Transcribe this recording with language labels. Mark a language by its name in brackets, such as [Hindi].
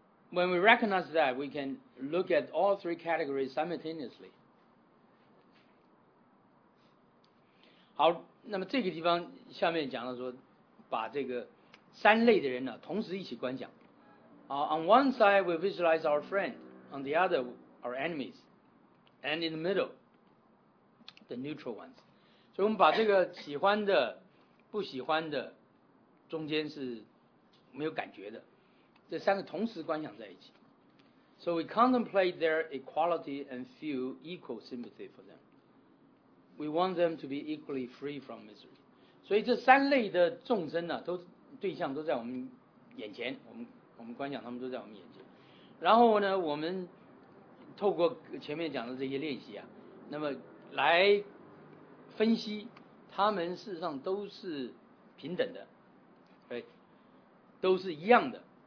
[English] when we recognize that, we can look at all three categories simultaneously. [Chinese] 好，那么这个地方下面讲到说，把这个三类的人呢，同时一起观想。 [English] On one side, we visualize our friend. On the other, our enemies. And in the middle, the neutral ones. [Chinese] 所以我们把这个喜欢的、不喜欢的中间是没有感觉的，这三个同时观想在一起。 [English] So we contemplate their equality and feel equal sympathy for them. We want them to be equally free from misery. [Chinese] 所以这三类的众生呢、啊，都对象都在我们眼前，我们观想他们都在我们眼前。然后呢，我们透过前面讲的这些练习啊，那么来分析他们事实上都是平等的，对，都是一样的。